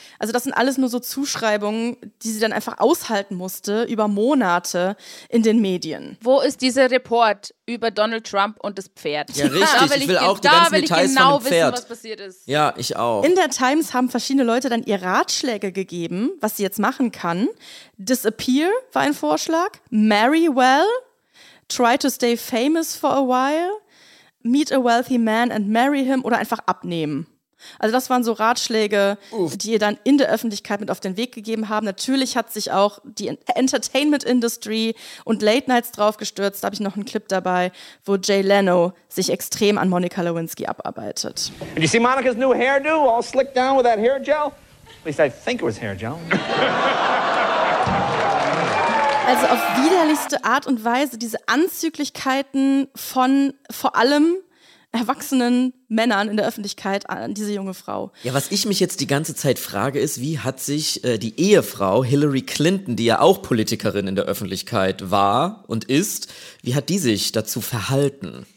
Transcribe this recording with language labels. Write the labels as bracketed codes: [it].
[de] Also das sind alles nur so Zuschreibungen, die sie dann einfach aushalten musste über Monate in den Medien. Wo ist dieser Report über Donald Trump und das Pferd? Ja, richtig. Ich will auch die ganzen Details von dem Pferd wissen. Ist. Ja, ich auch. In der Times haben verschiedene Leute dann ihr Ratschläge gegeben, was sie jetzt machen kann. Disappear war ein Vorschlag. [en] Marry well. Try to stay famous for a while. Meet a wealthy man and marry him. [de] Oder einfach abnehmen. Also das waren so Ratschläge, die ihr dann in der Öffentlichkeit mit auf den Weg gegeben haben. Natürlich hat sich auch die Entertainment-Industry und Late Nights draufgestürzt. Da habe ich noch einen Clip dabei, wo Jay Leno sich extrem an Monica Lewinsky abarbeitet. [en] Did you see Monica's new hairdo, all slicked down with that hair gel? At least I think it was hair gel. [de] Also auf widerlichste Art und Weise diese Anzüglichkeiten von vor allem erwachsenen Männern in der Öffentlichkeit an diese junge Frau. Ja, was ich mich jetzt die ganze Zeit frage, ist, wie hat sich die Ehefrau Hillary Clinton, die ja auch Politikerin in der Öffentlichkeit war und ist, wie hat die sich dazu verhalten?